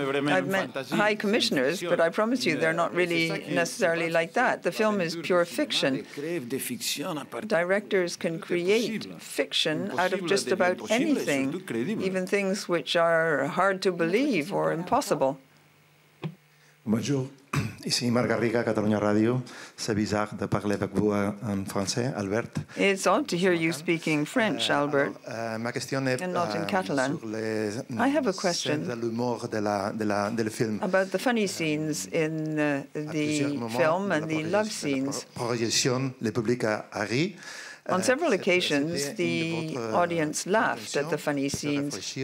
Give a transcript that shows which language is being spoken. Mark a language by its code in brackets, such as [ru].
[en] I've met high commissioners, but I promise you they're not really necessarily like that. The film is pure fiction. Directors can create fiction out of just about anything, even things which are hard to believe or impossible. [fr] Bonjour. Ici Marc Garriga, Catalunya Ràdio. C'est bizarre de parler avec vous en français, Albert. [en] It's odd to hear you speaking French, Albert, [fr] ma question est, [en] and not in Catalan. I have a question about the funny scenes in the film and the love scenes. [fr] Projection, le public a ri. [en] On several occasions, the audience laughed at the funny scenes.